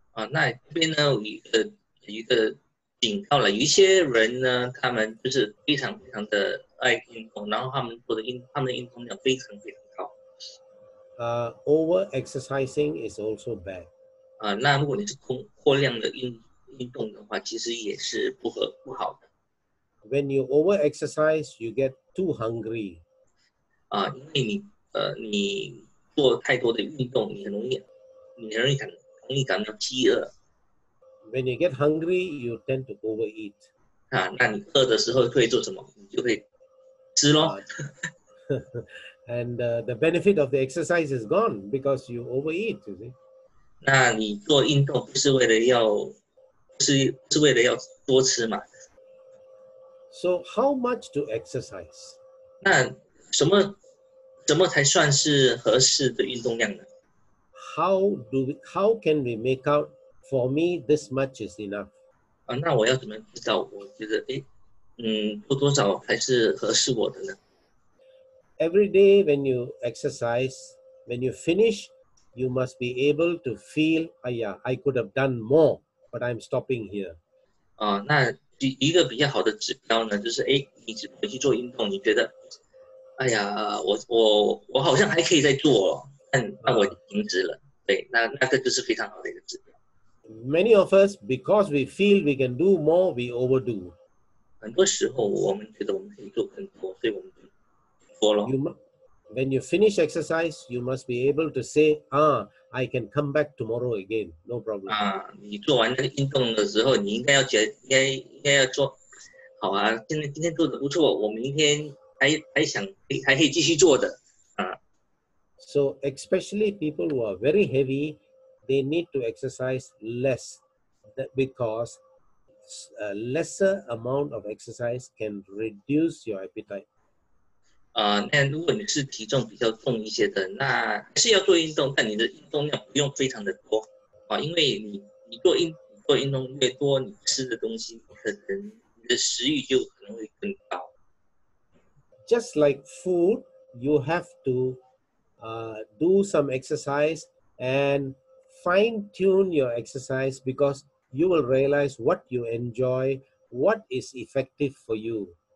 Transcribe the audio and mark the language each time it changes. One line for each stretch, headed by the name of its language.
Chinese: 那这边呢，有一个警告了，有一些人呢，他们就是非常非常的爱运动，然后他们的运动量非常非常高。
English: Over exercising is also bad.
Chinese: 那如果你是过量的运动的话，其实也是不好的。
English: When you over exercise, you get too hungry.
Chinese: 因为你做太多的运动，你很容易感到饥饿。
English: When you get hungry, you tend to overeat.
Chinese: 那你饿的时候会做什么？你就会吃咯。
English: And the benefit of the exercise is gone because you overeat, you see.
Chinese: 那你做运动不是为了要多吃嘛？
English: So how much to exercise?
Chinese: 那什么才算是合适的运动量呢？
English: How can we make out? For me, this much is enough.
Chinese: 那我要怎么知道？我觉得，多少还是合适我的呢？
English: Every day when you exercise, when you finish, you must be able to feel, I could have done more, but I'm stopping here.
Chinese: 那一个比较好的指标呢，就是你回去做运动，你觉得，我好像还可以再做，但我停止了。对，那个就是非常好的一个指标。
English: Many of us, because we feel we can do more, we overdo.
Chinese: 很多时候我们觉得我们可以做更多，所以我们就做了。
English: When you finish exercise, you must be able to say, I can come back tomorrow again, no problem.
Chinese: 你做完那个运动的时候，你应该要觉得应该要做好啊。今天做的不错，我明天还可以继续做的。
English: So especially people who are very heavy. They need to exercise less because a lesser amount of exercise can reduce your appetite.
Chinese: 那如果你是体重比较重一些的，那还是要做运动，但你的运动量不用非常的多啊，因为你做运动越多，你吃的东西可能你的食欲就可能会更高。
English: Just like food, you have to do some exercise and fine-tune your exercise because you will realize what you enjoy, what is effective for you.